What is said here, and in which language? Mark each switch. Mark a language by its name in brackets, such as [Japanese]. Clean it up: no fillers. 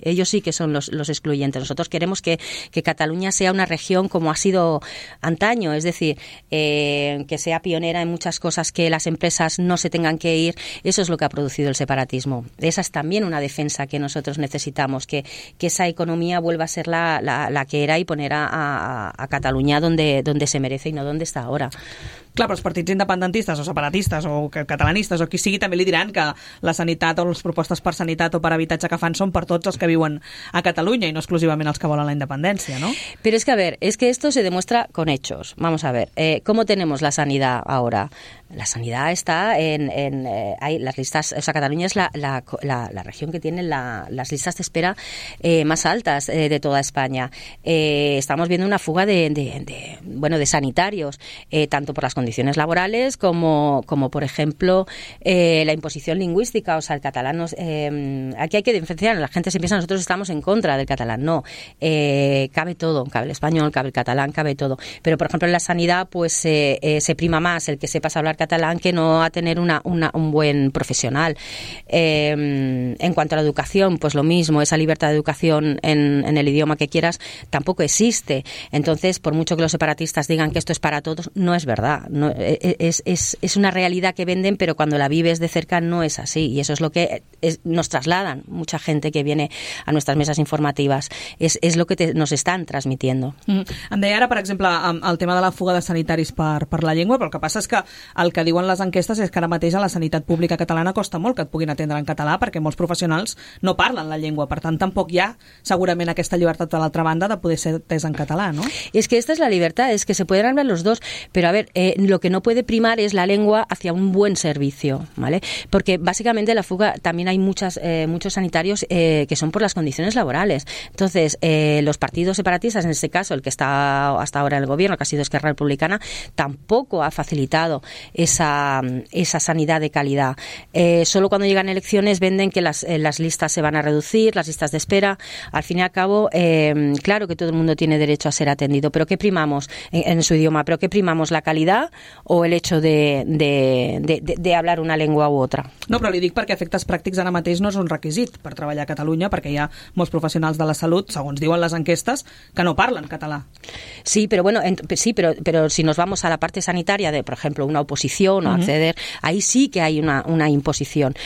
[Spanish] Ellos sí que son los excluyentes. Nosotros queremos que Cataluña sea una región como ha sido antaño, es decir, que sea pionera en muchas cosas, que las empresas no se tengan que ir. Eso es lo que ha producido el separatismo. Esa es también una defensa que nosotros necesitamos, que esa economía vuelva a ser la que era y poner a Cataluña donde se merece y no donde está ahora. [Catalan] Clar, però els partits independentistes o separatistes o catalanistes o qui sigui també li diran que la sanitat o les propostes per sanitat o per habitatge que fan són per tots els que viuen a Catalunya i no exclusivament els que volen la independència, no? Però és que, a veure, és que [Spanish] esto se demuestra con hechos. Vamos a ver, ¿cómo tenemos la sanidad ahora? La sanidad está hay las listas, o sea, Cataluña es la región que tiene las listas de espera más altas de toda España. Estamos viendo una fuga de sanitarios, tanto por las condiciones laborales como por ejemplo la imposición lingüística. O sea, el catalán nos, aquí hay que diferenciar, la gente se piensa nosotros estamos en contra del catalán, no, cabe todo, cabe el español, cabe el catalán, cabe todo, pero por ejemplo en la sanidad pues se prima más el que sepas hablar catalán que no a tener un buen profesional. En cuanto a la educación, pues lo mismo, esa libertad de educación en el idioma que quieras tampoco existe. Entonces, por mucho que los separatistas digan que esto es para todos, no es verdad. No, es una realidad que venden, pero cuando la vives de cerca no es así. Y eso es lo que nos trasladan mucha gente que viene a nuestras mesas informativas. Es lo que nos están transmitiendo. [Catalan] Em deia ara, per exemple, el tema de la fuga de sanitaris per la llengua, però el que passa és que el que diuen les enquestes és que ara mateix a la sanitat pública catalana costa molt que et puguin atendre en català perquè molts professionals no parlen la llengua. Per tant, tampoc hi ha segurament aquesta llibertat de l'altra banda de poder ser atès en català, no? [Spanish] Es que esta es la libertad, es que se pueden hablar los dos, pero a ver, lo que no puede primar es la lengua hacia un buen servicio, ¿vale? Porque básicamente la fuga, también hay muchos sanitarios que son por las condiciones laborales. Entonces, los partidos separatistas, en este caso, el que está hasta ahora en el gobierno, que ha sido Esquerra Republicana, tampoco ha facilitado esa sanidad de calidad. Solo cuando llegan elecciones venden que las listas se van a reducir, las listas de espera. Al fin y al cabo, claro que todo el mundo tiene derecho a ser atendido, pero ¿qué primamos en su idioma? ¿Pero qué primamos, la calidad o el hecho de hablar una lengua u otra? [Catalan] No, però li dic perquè efectes pràctics ara mateix no és un requisit per treballar a Catalunya, perquè hi ha molts professionals de la salut, segons diuen les enquestes, que no parlen català. [Spanish] Sí, però bueno, pero si nos vamos a la parte sanitaria de, por ejemplo, una oposición o acceder, ahí sí que hay una imposición.